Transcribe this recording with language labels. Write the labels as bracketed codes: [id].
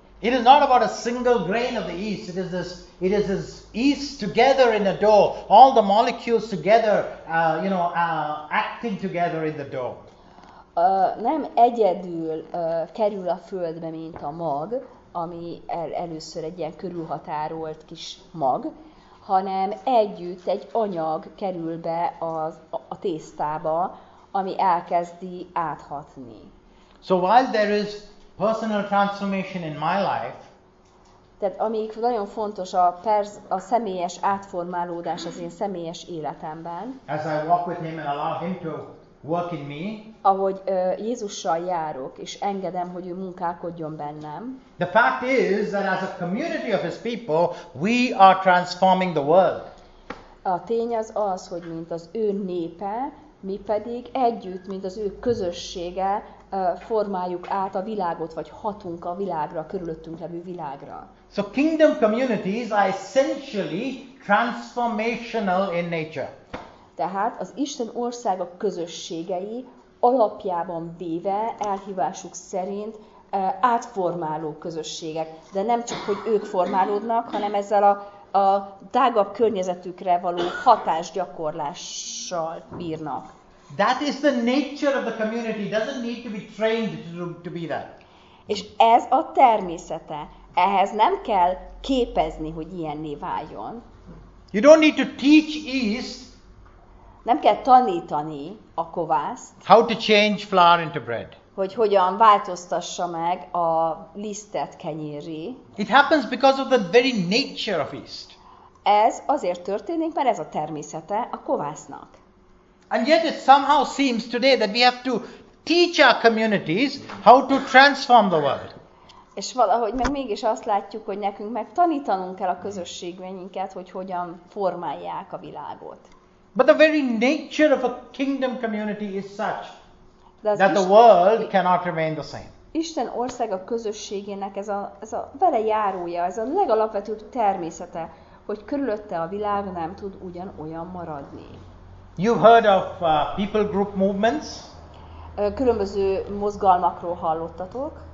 [en] It is not about a single grain of the yeast. It is this yeast together in a dough. All the molecules together, acting together in the dough. [hu] Nem egyedül kerül a földbe, mint a mag, ami először egy ilyen körülhatárolt kis mag, hanem együtt egy anyag kerül be a tésztába, ami elkezdi áthatni. [en] So while there is personal transformation in my life. [hu] Tehát amíg nagyon fontos a személyes átformálódás az én személyes életemben. [en] As I walk with him and allow him to work in me. [hu] Ahogy Jézussal járok és engedem, hogy ő munkálkodjon bennem. [en] The fact is that as a community of his people, we are transforming the world. [hu] A tény az, hogy mint az ő népe, mi pedig együtt, mint az ő közössége formáljuk át a világot, vagy hatunk a világra, a körülöttünk levő világra. [en] So kingdom communities are essentially transformational in nature. [hu] Tehát az Isten országa közösségei alapjában véve elhívásuk szerint átformáló közösségek. De nem csak, hogy ők formálódnak, hanem ezzel a tágabb környezetükre való hatásgyakorlással bírnak. [en] That is the nature of the community. It doesn't need to be trained to be that. [hu] És ez a természete. Ehhez nem kell képezni, hogy ilyenné váljon. [en] You don't need to teach yeast. [hu] Nem kell tanítani a kovászt. [en] How to change flour into bread. [hu] Hogy hogyan változtassa meg a lisztet kenyérré. [en] It happens because of the very nature of yeast. [hu] Ez azért történik, mert ez a természete a kovásznak. [en] And yet it somehow seems today that we have to teach our communities how to transform the world. [hu] És valahogy meg mégis azt látjuk, hogy nekünk meg tanítanunk kell a közösségünket, hogy hogyan formálják a világot. [en] But the very nature of a kingdom community is such that the world cannot remain the same. [hu] Isten országa közösségének ez a velejárója, ez a legalapvetőbb természete, hogy körülötte a világ nem tud ugyanolyan maradni. [en] You've heard of people group movements? [hu] Különböző mozgalmakról hallottatok.